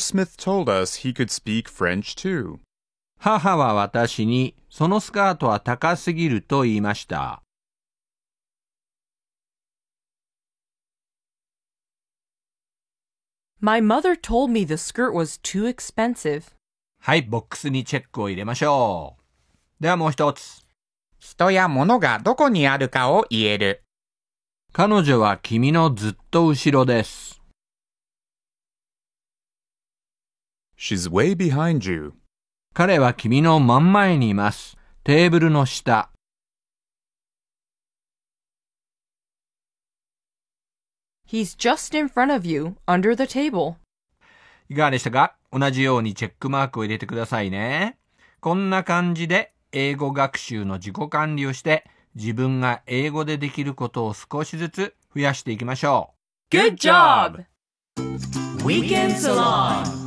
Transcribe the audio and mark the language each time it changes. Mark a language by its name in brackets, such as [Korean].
[English] Smith told us he could speak French too. [Japanese] 母は私に、そのスカートは高すぎると言いました。 [English] My mother told me the skirt was too expensive. [Japanese] はい、ボックスにチェックを入れましょう。ではもう一つ。人や物がどこにあるかを言える。彼女は君のずっと後ろです。 [English] She's way behind you. [Japanese] 彼は君の真ん前にいます。テーブルの下。 [English] He's just in front of you, under the table. [Japanese] いかがでしたか？同じようにチェックマークを入れてくださいね。こんな感じで英語学習の自己管理をして、自分が英語でできることを少しずつ増やしていきましょう。 [English] Good job! Weekend Salon!